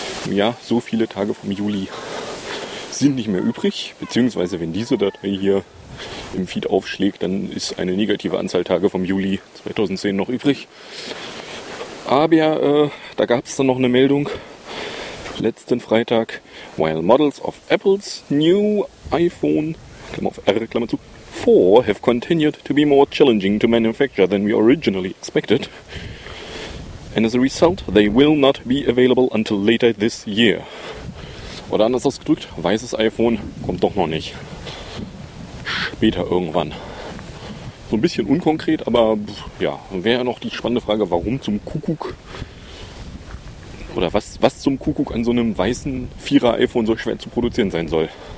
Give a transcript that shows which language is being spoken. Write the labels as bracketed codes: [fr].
[de] Ja, so viele Tage vom Juli sind nicht mehr übrig, beziehungsweise wenn diese Datei hier im Feed aufschlägt, dann ist eine negative Anzahl Tage vom Juli 2010 noch übrig. Aber ja, da gab es dann noch eine Meldung. Letzten Freitag, [en] while models of Apple's new iPhone, [de] Klammer auf R, Klammer zu, [en] 4 have continued to be more challenging to manufacture than we originally expected, and as a result, they will not be available until later this year. [de] Oder anders ausgedrückt, weißes iPhone kommt doch noch nicht. Später irgendwann. So ein bisschen unkonkret, aber ja, wäre noch die spannende Frage, warum zum Kuckuck. Oder was zum Kuckuck an so einem weißen 4er iPhone so schwer zu produzieren sein soll.